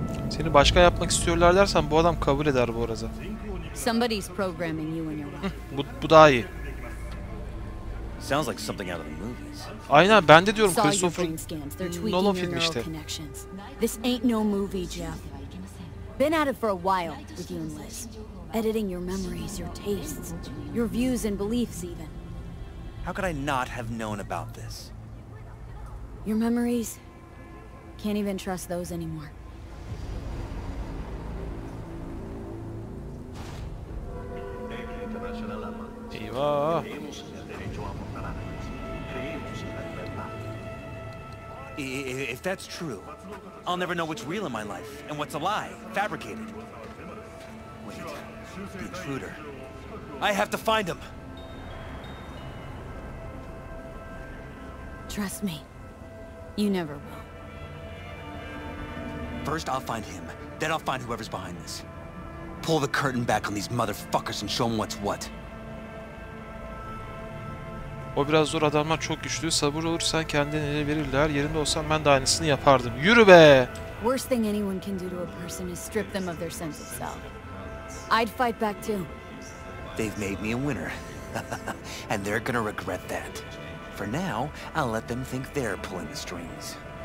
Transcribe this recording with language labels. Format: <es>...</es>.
<tr>Seni başka yapmak istiyorlar dersen bu adam kabul eder bu arada.</tr> <en>Somebody's programming you and your wife.</en> <tr>Bu daha iyi.</tr> <en>Sounds like something out of the movies.</en> <tr>Aynen, ben de diyorum Christopher Nolan film işte.</tr> <en>This ain't no movie, Jeff. Been at it for a while with you and Liz. Editing your memories, your tastes, your views and beliefs even. How could I not have known about this? Your memories? Can't even trust those anymore.</en> <tr>Eyvah!</tr> <en>If that's true, I'll never know what's real in my life and what's a lie, fabricated. Wait. The intruder. I have to find him. Trust me. You never will. First I'll find him. Then I'll find whoever's behind this. Pull the curtain back on these motherfuckers and show them what's what.</en> <tr>O biraz zor, adamlar çok güçlü. Sabır olursan kendini ele verirler. Yerinde olsam ben de aynısını yapardım. Yürü be!</tr> <en>Worst thing anyone can do to a person is strip them of their sense of self. I'd fight back too. They've made me a winner. And they're gonna regret that. For now, I'll let them think they're pulling the strings.</en>